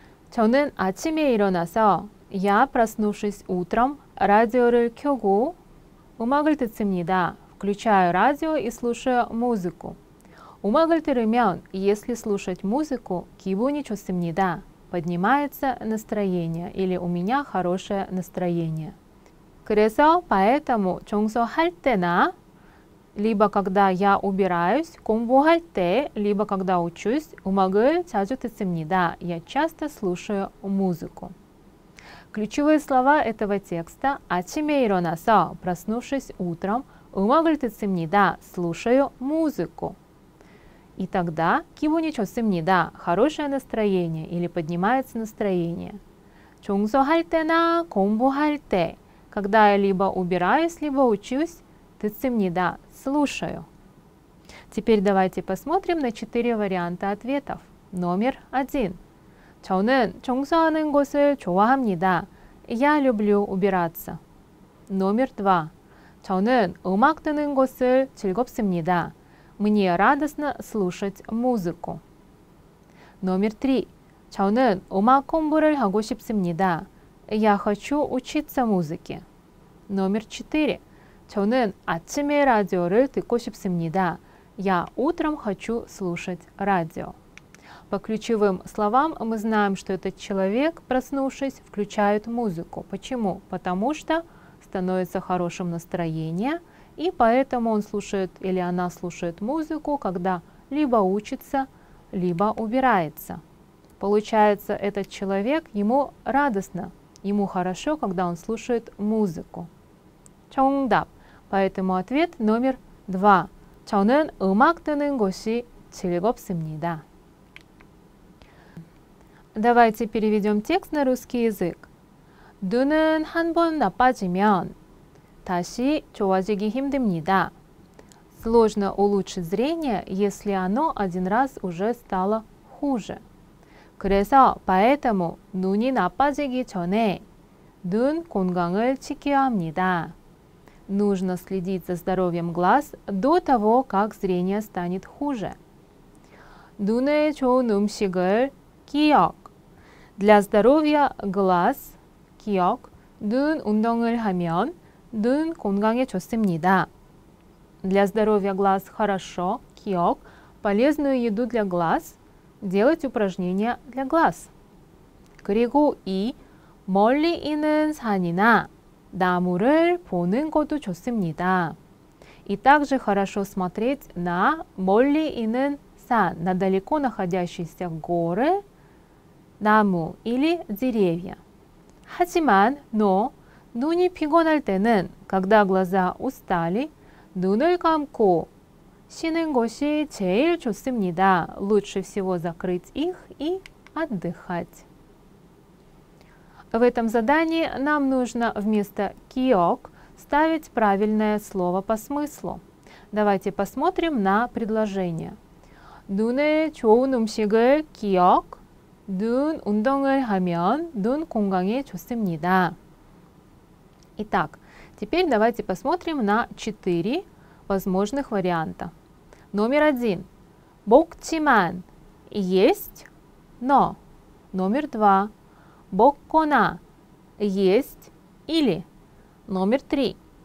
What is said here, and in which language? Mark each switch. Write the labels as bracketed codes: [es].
[ko] 저는 아침에 일어나서 [ru] я, проснувшись утром, [ko] радио를 켜고 음악을 듣습니다. [ru] Включаю радио и слушаю музыку. [ko] 음악을 들으면, [ru] если слушать музыку, [ko] 기분이 좋습니다. [ru] Поднимается настроение или у меня хорошее настроение. [ko] 그래서 [ru] поэтому [ko] 청소할 때나 [ru] либо когда я убираюсь, [ko] 공부할 때, [ru] либо когда учусь, [ko] 음악을 자주 듣습니다. [ru] Я часто слушаю музыку. Ключевые слова этого текста: [ko] 아침에 일어나서, [ru] проснувшись утром, [ko] 음악을 듣습니다. [ru] Слушаю музыку. И тогда [ko] 기분이 좋습니다. [ru] Хорошее настроение или поднимается настроение. [ko] 청소할 때나 공부할 때, [ru] когда я либо убираюсь, либо учусь, [ko] 듣습니다. [ru] Слушаю. Теперь давайте посмотрим на 4 варианта ответов. Номер 1. [ko] 저는 청소하는 것을 좋아합니다. [ru] Я люблю убираться. Номер 2. [ko] 저는 음악 듣는 것을 즐겁습니다. [ru] Мне радостно слушать музыку. Номер 3. [ko] 저는 음악 공부를 하고 싶습니다. [ru] Я хочу учиться музыке. Номер 4. [ko] 저는 아침에 라디오를 듣고 싶습니다. [ru] Я утром хочу слушать радио. По ключевым словам мы знаем, что этот человек, проснувшись, включает музыку. Почему? Потому что становится хорошим настроение, и поэтому он слушает или она слушает музыку, когда либо учится, либо убирается. Получается, этот человек, ему радостно, ему хорошо, когда он слушает музыку. 정답. Поэтому ответ номер 2. [ko] 저는 음악 듣는 것이 즐겁습니다. [ru] Давайте переведем текст на русский язык. [ko] 눈은 한 번 나빠지면 다시 좋아지기 힘듭니다. [ru] Сложно улучшить зрение, если оно один раз уже стало хуже. [ko] 그래서 [ru] поэтому [ko] 눈이 나빠지기 전에 눈 건강을 지켜야 합니다. [ru] Нужно следить за здоровьем глаз до того, как зрение станет хуже. [ko] 눈에 좋은 음식을 기억. [ru] Для здоровья глаз, [ko] 기억, 눈 운동을 하면 눈 건강에 좋습니다. [ru] Для здоровья глаз хорошо, 기억, полезную еду для глаз, делать упражнения для глаз. [ko] 그리고 이 멀리 있는 산이나 나무를 보는 것도 좋습니다. [ru] И также хорошо смотреть на [ko] 멀리 있는 산, [ru] на далеко находящиеся горы, 나무 или деревья. [ko] 하지만, [ru] но, [ko] 눈이 피곤할 때는, [ru] когда глаза устали, [ko] 눈을 감고 쉬는 것이 제일 좋습니다. [ru] Лучше всего закрыть их и отдыхать. В этом задании нам нужно вместо «киок» ставить правильное слово по смыслу. Давайте посмотрим на предложение. [ko] 눈에 좋은 음식을 기억, 눈 운동을 하면 눈 건강에 좋습니다. [ru] Итак, теперь давайте посмотрим на 4 возможных варианта. Номер 1. [ko] 먹지만 [ru] есть, но. Номер 2. [ko] 먹거나 [ru] есть или. Номер 3.